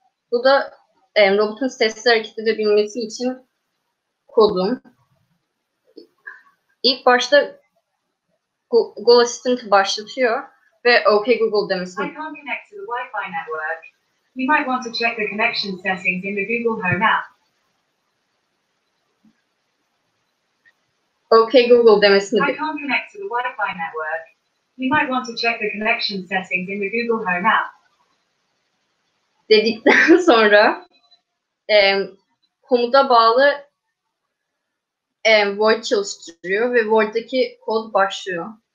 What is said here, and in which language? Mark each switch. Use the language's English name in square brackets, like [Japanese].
[Turkish] Bu da robotun sesli hareket edebilmesi için kodum. İlk başta Google Assistant'ı başlatıyor ve OK Google demesini. [English] I can't connect to the Wi-Fi network. You might want to check the connection settings in the Google Home app. Okay Google [Turkish] demesini. [English] I can't connect to the Wi-Fi network. You might want to check the connection settings in the Google Home app. [Turkish] Dedikten sonra komuta bağlı Void çalıştırıyor ve Void'daki kod başlıyor.